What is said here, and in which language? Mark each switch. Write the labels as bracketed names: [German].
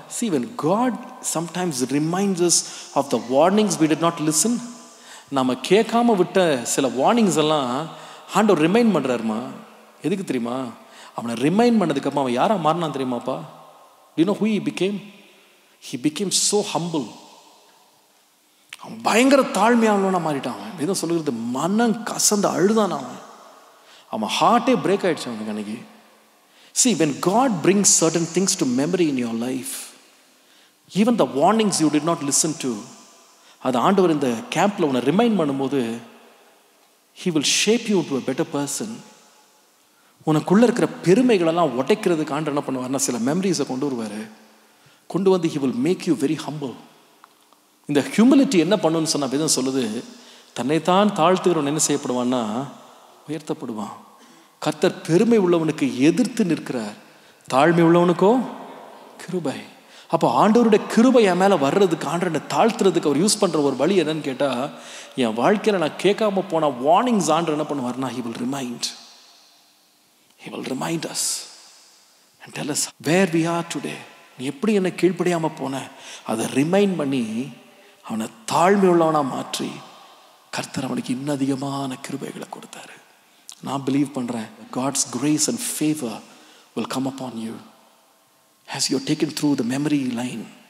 [English] See, when God sometimes reminds us of the warnings we did not listen, [Tamil] நம்ம கேட்காம விட்ட சில warnings எல்லாம் ஆண்டவர் ரிமைண்ட் பண்ணுறாருமா, எதுக்கு தெரியுமா, அவனை ரிமைண்ட் பண்ணதுக்கப்புறம் அவன் யாராக மாறினான் தெரியுமாப்பா, [English] you know who he became so humble, [Tamil] அவன் பயங்கர தாழ்மையானவனா மாறிட்டான். அவன் எதுவும் சொல்லுகிறது மனம் கசந்து அழுதான், அவன் ஹார்ட்டே பிரேக் ஆகிடுச்சு அவனுக்கு அன்னைக்கு. [English] See, when God brings certain things to memory in your life, even the warnings you did not listen to, [Tamil] அது ஆண்டவர் இந்த கேம்பில் உன்னை ரிமைண்ட் பண்ணும்போது, [English] He will shape you to a better person. [Tamil] உனக்குள்ளே இருக்கிற பெருமைகளெல்லாம் உடைக்கிறதுக்கு ஆண்டவர் என்ன பண்ணுவார்னா, சில மெமரிஸை கொண்டு வருவார், கொண்டு வந்து [English] He will make you very humble. [Tamil] இந்த ஹியூமிலிட்டி என்ன பண்ணுன்னு சொன்னால், வேதம் சொல்லுது தன்னைத்தான் தாழ்த்துகிறவன் என்ன செய்யப்படுவான்னா உயர்த்தப்படுவான். கர்த்தர் பெருமை உள்ளவனுக்கு எதிர்த்து நிற்கிறார், தாழ்மை உள்ளவனுக்கோ கிருபை. அப்போ ஆண்டவருடைய கிருபை என் மேலே வர்றதுக்கு, ஆண்டவனை தாழ்த்துறதுக்கு அவர் யூஸ் பண்ணுற ஒரு வழி என்னன்னு கேட்டால், என் வாழ்க்கையில் நான் கேட்காம போன வார்னிங்ஸ் ஆண்டவர் என்ன பண்ணுவார்னா, [English] He will remind. He will remind us and tell us where we are today. [Tamil] நீ எப்படி என்ன கீழ்படியாமல் போன, அதை ரிமைண்ட் பண்ணி அவனை தாழ்மை உள்ளவனாக மாற்றி கர்த்தர் அவனுக்கு இன்னும் அதிகமான கிருபைகளை கொடுத்தாரு. நான் பிலீவ் பண்ணுறேன், [English] God's grace and favour will come upon you has you taken through the memory lane.